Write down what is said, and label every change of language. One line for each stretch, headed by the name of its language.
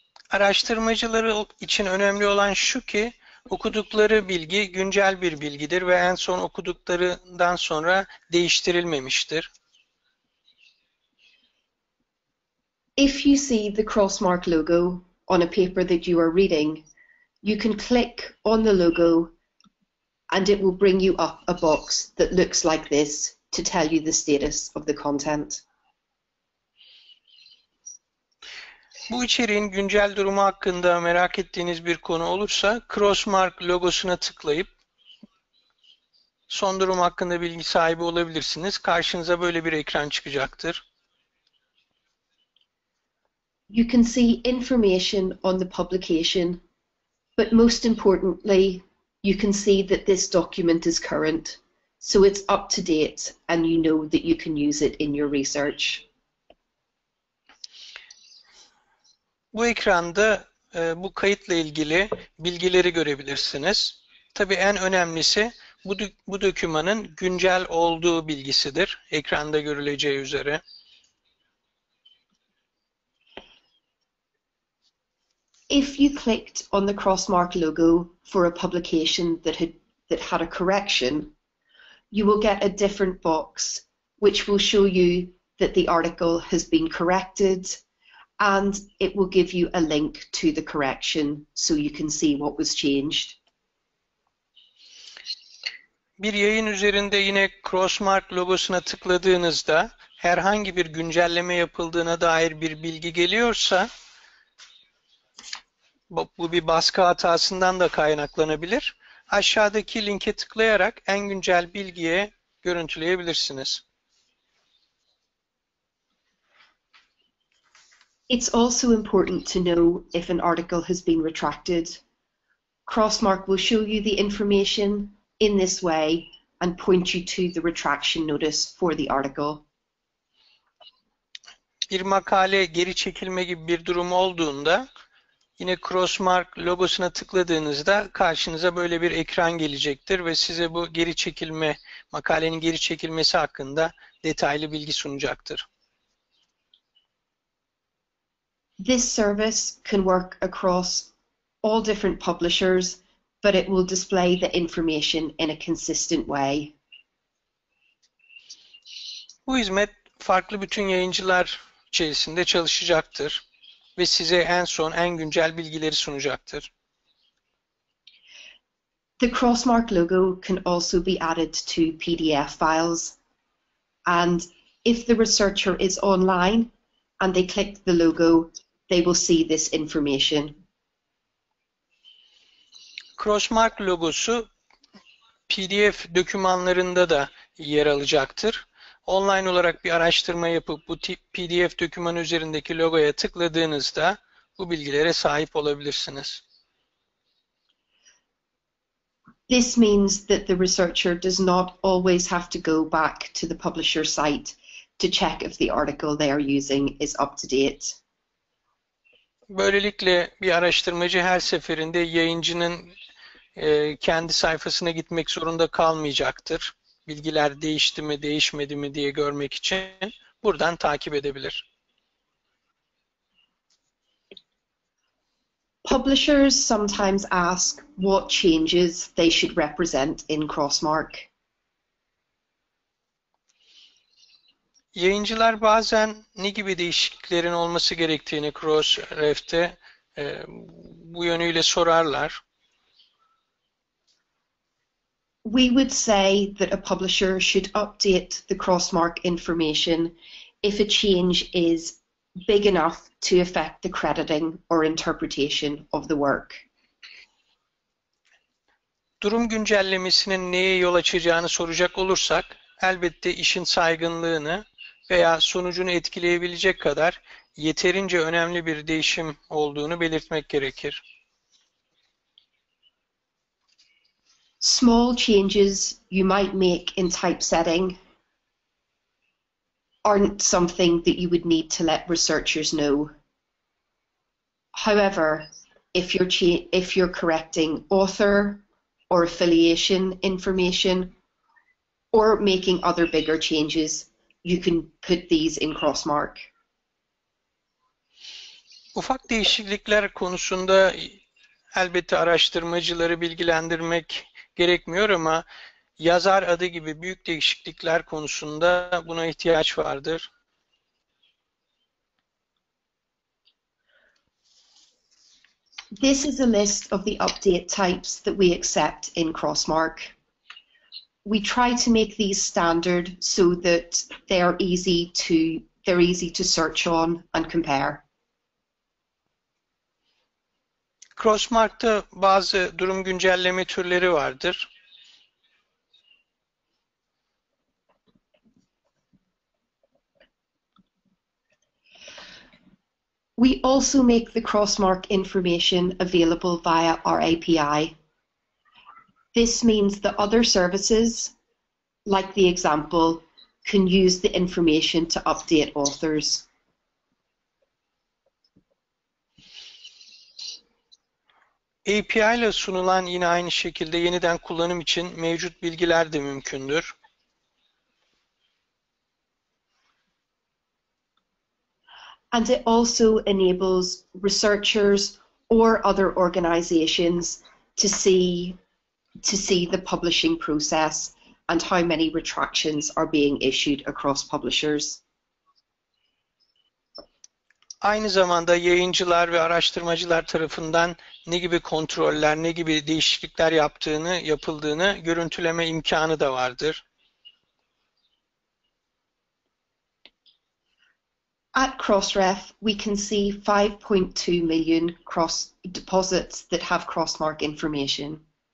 Turkish: Araştırmacılar için önemli olan şu ki okudukları bilgi güncel bir bilgidir ve en son okuduklarından sonra değiştirilmemiştir.
English: If you see the Crossmark logo on a paper that you are reading, you can click on the logo and it will bring you up a box that looks like this to tell you the status of the content.
Turkish: Bu içeriğin güncel durumu hakkında merak ettiğiniz bir konu olursa Crossmark logosuna tıklayıp son durum hakkında bilgi sahibi olabilirsiniz. Karşınıza böyle bir ekran çıkacaktır.
English: You can see information on the publication, but most importantly, you can see that this document is current, so it's up to date and you know that you can use it in your research.
Turkish: Bu ekranda bu kayıtla ilgili bilgileri görebilirsiniz. Tabii en önemlisi bu dokümanın güncel olduğu bilgisidir. Ekranda görüleceği üzere.
English: If you clicked on the Crossmark logo for a publication that had a correction, you will get a different box which will show you that the article has been corrected. And it will give you a link to the correction so you can see what was changed.
Turkish: Bir yayın üzerinde yine Crossmark logosuna tıkladığınızda herhangi bir güncelleme yapıldığına dair bir bilgi geliyorsa bu bir baskı hatasından da kaynaklanabilir. Aşağıdaki linke tıklayarak en güncel bilgiye görüntüleyebilirsiniz.
English: It's also important to know if an article has been retracted. Crossmark will show you the information in this way and point you to the retraction notice for the article.
Turkish: Bir makale geri çekilme gibi bir durum olduğunda yine Crossmark logosuna tıkladığınızda karşınıza böyle bir ekran gelecektir ve size bu geri çekilme, makalenin geri çekilmesi hakkında detaylı bilgi sunacaktır.
English: This service can work across all different publishers, but it will display the information in a consistent way.
Turkish: Bu hizmet farklı bütün yayıncılar içerisinde çalışacaktır ve size en son en güncel bilgileri sunacaktır.
English: The Crossmark logo can also be added to PDF files, and if the researcher is online and they click the logo, they will see this information.
Turkish: Crossmark logosu PDF dokümanlarında da yer alacaktır. Online olarak bir araştırma yapıp bu tip PDF dokümanı üzerindeki logoya tıkladığınızda bu bilgilere sahip olabilirsiniz.
English: This means that the researcher does not always have to go back to the publisher site to check if the article they are using is up to date.
Turkish: Böylelikle bir araştırmacı her seferinde yayıncının kendi sayfasına gitmek zorunda kalmayacaktır. Bilgiler değişti mi, değişmedi mi diye görmek için buradan takip edebilir.
English: Publishers sometimes ask what changes they should represent in Crossmark.
Turkish: Yayıncılar bazen ne gibi değişikliklerin olması gerektiğini Crossref'te bu yönüyle sorarlar.
English: We would say that a publisher should update the Crossmark information if a change is big enough to affect the crediting or interpretation of the work.
Turkish: Durum güncellemesinin neye yol açacağını soracak olursak elbette işin saygınlığını veya sonucunu etkileyebilecek kadar yeterince önemli bir değişim olduğunu belirtmek gerekir.
English: small changes you might make in typesetting aren't something that you would need to let researchers know. However, if you're correcting author or affiliation information or making other bigger changes, you can put these in crossmark.
Turkish: Ufak değişiklikler konusunda elbette araştırmacıları bilgilendirmek gerekmiyor ama yazar adı gibi büyük değişiklikler konusunda buna ihtiyaç vardır.
English: This is a list of the update types that we accept in Crossmark. We try to make these standard so that they're easy to search on and compare.
Turkish: Crossmark'ta bazı durum güncelleme türleri vardır.
English: We also make the Crossmark information available via our API. This means that other services, like the example, can use the information to update authors.
Turkish: API ile sunulan yine aynı şekilde yeniden kullanım için mevcut bilgiler de mümkündür.
English: And it also enables researchers or other organizations to see the publishing process and how many retractions are being issued across publishers.
Turkish: Aynı zamanda yayıncılar ve araştırmacılar tarafından ne gibi kontroller, ne gibi değişiklikler yapıldığını görüntüleme imkanı da vardır.
English: At Crossref, we can see 5.2 million cross deposits that have crossmark information.